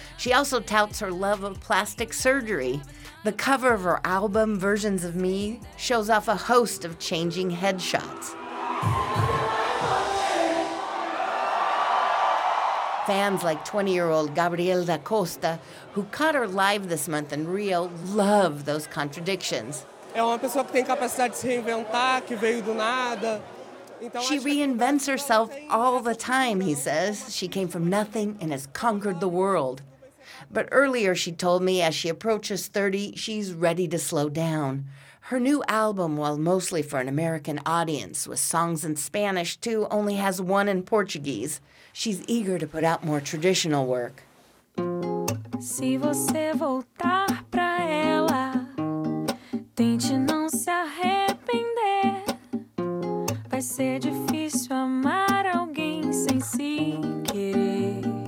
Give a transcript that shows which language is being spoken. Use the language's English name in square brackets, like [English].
[English] She also touts her love of plastic surgery. The cover of her album, Versions of Me, shows off a host of changing headshots. Fans like 20-year-old Gabriel Da Costa, who caught her live this month in Rio, love those contradictions. [Portuguese] É uma pessoa que tem capacidade de se reinventar, que veio do nada. [English] She reinvents herself all the time, he says. She came from nothing and has conquered the world. But earlier she told me as she approaches 30, she's ready to slow down. Her new album, while mostly for an American audience, with songs in Spanish too, only has one in Portuguese. She's eager to put out more traditional work. [Portuguese] Se você voltar pra ela, tente não se arrepender. Vai ser difícil amar alguém sem se querer.